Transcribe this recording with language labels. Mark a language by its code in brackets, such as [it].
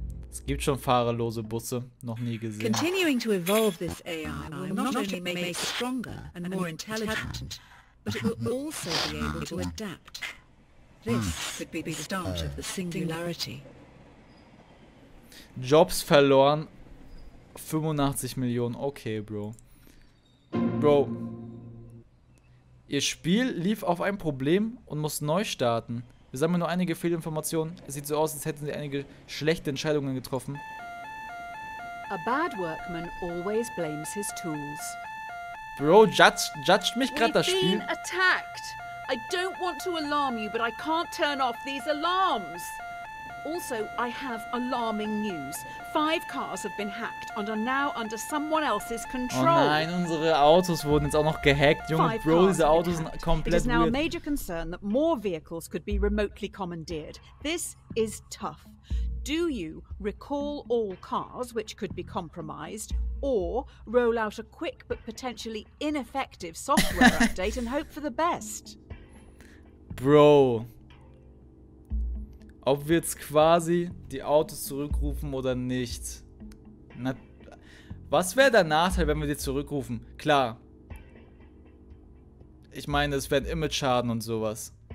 [de] Es gibt schon fahrerlose Busse, noch nie gesehen. [en] Continuing to evolve this AI will not only make it stronger and more intelligent, but it will also be able to adapt. This could be the start of the singularity. [de] Jobs verloren. 85 Millionen. Okay, Bro. Bro. Ihr Spiel lief auf ein Problem und muss neu starten. Wir sammeln nur einige Fehlinformationen. Es sieht so aus, als hätten sie einige schlechte Entscheidungen getroffen. [en] A bad workman always blames his tools. Bro, [de] judged mich gerade das Spiel. [en] We've been attacked. I don't want to alarm you, but I can't turn off these alarms. Also, I have alarming news. 5 cars have been hacked and are now under someone else's control. [de] Oh nein, unsere Autos wurden jetzt auch noch gehackt. Junge, Bro, diese Autos sind komplett weird. [en] It is now a major concern that more vehicles could be remotely commandeered. This is tough. Do you recall all cars which could be compromised or roll out a quick but potentially ineffective software update and hope for the best? Bro. [de] Ob wir jetzt quasi die Autos zurückrufen oder nicht? Na, was wäre der Nachteil, wenn wir die zurückrufen? Klar. Ich meine, es wären Image-Schaden und sowas.